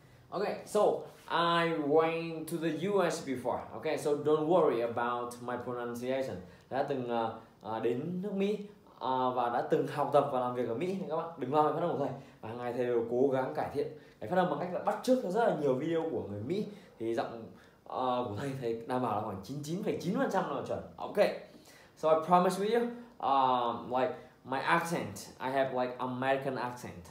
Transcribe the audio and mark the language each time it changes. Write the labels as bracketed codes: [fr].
[en] Ok, so I went to the US before. Ok, so don't worry about my pronunciation. [vi] Đã từng đến nước Mỹ và đã từng học tập và làm việc ở Mỹ. Nên các bạn đừng lo về phát âm của thầy. Và hàng ngày thầy đều cố gắng cải thiện cái phát âm bằng cách là bắt chước rất là nhiều video của người Mỹ. Thì giọng của thầy đảm bảo là khoảng 99.9% là chuẩn. [en] Ok, so I promise with you, like my accent, I have like American accent.